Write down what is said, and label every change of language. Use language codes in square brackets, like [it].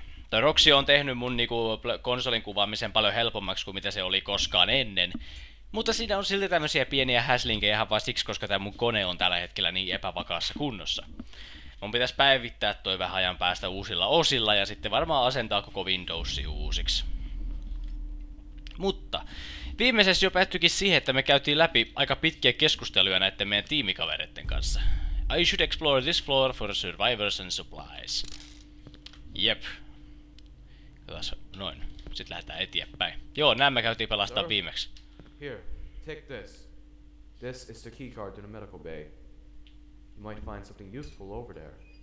[fi] Toi Roxio on tehnyt mun niinku konsolin kuvaamisen paljon helpommaksi kuin mitä se oli koskaan ennen, mutta siinä on silti tämmöisiä pieniä häslinkejä ihan vaan siksi, koska tää mun kone on tällä hetkellä niin epävakaassa kunnossa. Mun pitäis päivittää toi vähän ajan päästä uusilla osilla, ja sitten varmaan asentaa koko Windowsi uusiksi. Mutta viimeisessä jo päättyikin siihen, että me käytiin läpi aika pitkiä keskusteluja näiden meidän tiimikavereiden kanssa. [en] I should explore this floor for survivors and supplies. [fi] Jep. Katsotaan, noin. Sitten lähdetään eteenpäin. Joo, nää me käytiin pelastaa sir, viimeksi. [en] Here, take this. This is the key card to the medical bay. You might find something useful over there.